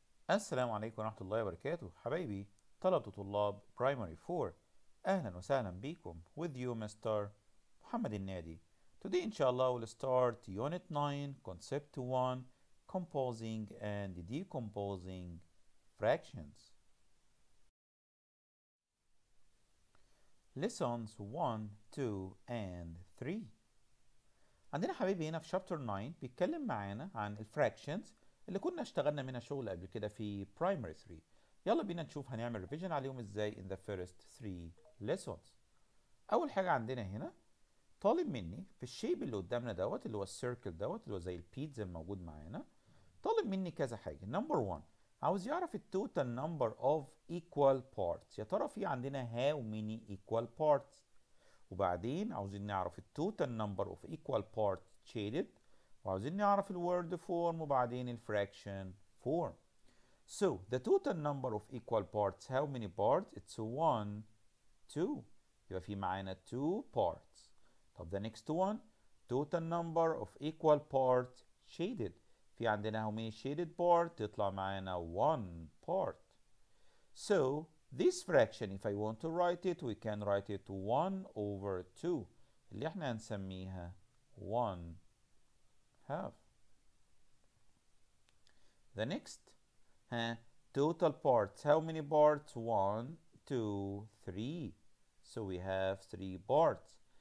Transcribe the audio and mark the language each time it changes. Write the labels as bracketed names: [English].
[Arabic] السلام عليكم ورحمة الله وبركاته حبايبي طلبة طلاب برايمري 4، أهلا وسهلا بكم [English] with you Mr. [Arabic] محمد النادي. [English] Today [Arabic] إن شاء الله [English] we'll start unit 9 concept 1 composing and decomposing fractions. Lessons 1, 2 and 3. [Arabic] عندنا حبايبي هنا في chapter 9 بيتكلم معانا عن الفراكشنز اللي كنا اشتغلنا منها شغل قبل كده في primary 3. يلا بينا نشوف هنعمل revision عليهم ازاي [English] in the first 3 lessons. [Arabic] اول حاجة عندنا هنا طالب مني في الشيب اللي قدامنا دوت اللي هو السيركل دوت اللي هو زي البيتزا الموجود معانا، طالب مني كذا حاجة. number 1 عاوز يعرف [English] total number of equal parts، [Arabic] يا ترى في عندنا [English] how many equal parts، [Arabic] وبعدين عاوزين نعرف [English] total number of equal parts shaded، [Arabic] وعاوزين نعرف الورد فورم وبعدين الفراكشن فورم. [English] So the total number of equal parts how many parts؟ It's 1, 2. [Arabic] يبقى في معانا 2 parts. [English] طب the next one total number of equal parts shaded، [Arabic] في عندنا [English] how many shaded parts؟ [Arabic] تطلع معانا [English] 1 part. So this fraction if I want to write it we can write it 1 over 2 [Arabic] اللي احنا هنسميها [English] 1 have. The next total parts how many parts 1, 2, 3 so we have 3 parts.